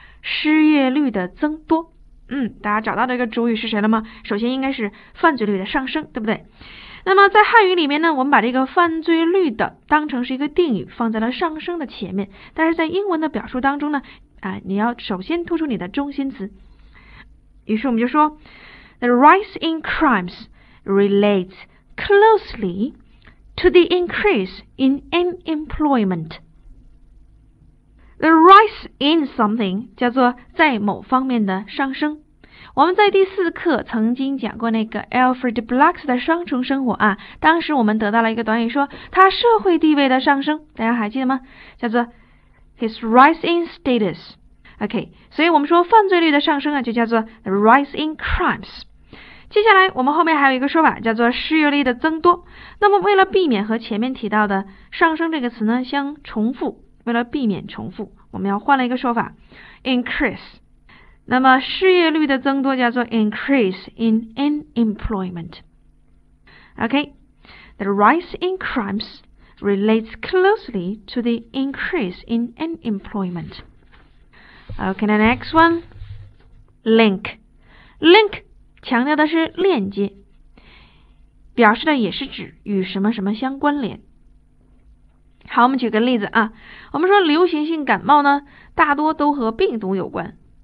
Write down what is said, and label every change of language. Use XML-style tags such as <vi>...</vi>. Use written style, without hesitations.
<zh>失业率的增多。大家找到这个主语是谁了吗？首先应该是犯罪率的上升，对不对？那么在汉语里面呢，我们把这个犯罪率的当成是一个定语，放在了上升的前面。但是在英文的表述当中呢，你要首先突出你的中心词。于是我们就说</zh> <en>The rise in crimes relates closely to the increase in unemployment. The rise in something</en> <zh>叫做在某方面的上升。我们在第四课曾经讲过那个 Alfred Block 的双重生活啊，当时我们得到了一个短语，说他社会地位的上升，大家还记得吗？叫做</zh> <en>his rise in status。</en> <zh>OK， 所以我们说犯罪率的上升啊，就叫做</zh> <en>the rise in crimes。</en> <zh>接下来我们后面还有一个说法叫做失业率的增多。那么为了避免和前面提到的上升这个词呢相重复，为了避免重复，我们要换了一个说法 increase。那么失业率的增多叫做</zh> <en>increase in unemployment。 OK, the rise in crimes relates closely to the increase in unemployment. OK, the next one, link.</en> <zh>Link 强调的是链接，表示的也是指与什么什么相关联。好，我们举个例子啊，我们说流行性感冒呢大多都和病毒有关。</zh>